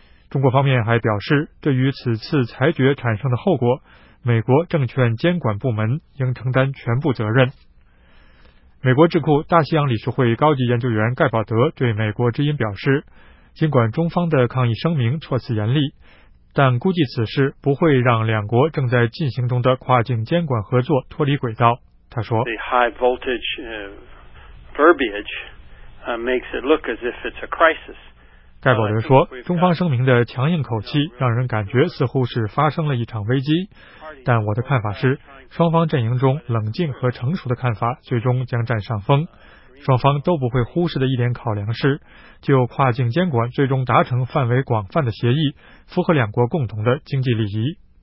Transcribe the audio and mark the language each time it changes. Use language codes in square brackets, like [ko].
[zh] 中国方面还表示，对于此次裁决产生的后果，美国证券监管部门应承担全部责任。美国智库大西洋理事会高级研究员盖宝德对美国之音表示，尽管中方的抗议声明措辞严厉，但估计此事不会让两国正在进行中的跨境监管合作脱离轨道。他说 [en] The high voltage verbiage makes it look as if it's a crisis。 [zh] 盖宝德说，中方声明的强硬口气让人感觉似乎是发生了一场危机，但我的看法是，双方阵营中冷静和成熟的看法最终将占上风。双方都不会忽视的一点考量是，就跨境监管最终达成范围广泛的协议，符合两国共同的经济利益。